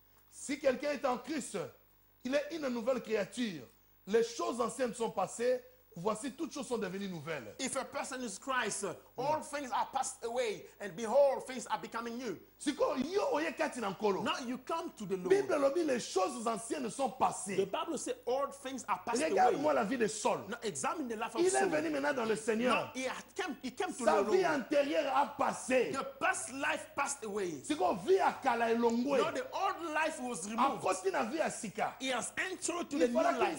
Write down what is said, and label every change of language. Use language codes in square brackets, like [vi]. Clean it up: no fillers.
[fr] Si quelqu'un est en Christ, il est une nouvelle créature. Les choses anciennes sont passées. Voici, toutes choses sont devenues nouvelles. [en] If a person is Christ, all things are passed away, and behold, things are becoming new. Now you come to the Lord. [fr] Bible le dit, les choses anciennes sont passées. [en] The Bible says all things are passed [fr] regarde [en] away. [fr] Regarde-moi la vie de Saul. [en] Now examine the life of [fr] il [en] Saul. [fr] Il est venu maintenant dans le Seigneur. [en] Now he came to [fr] sa [en] the Lord. [fr] Sa vie antérieure a passé. [en] The past life passed away. Now the old life was removed. En vie à Sika. He has entered to the new life.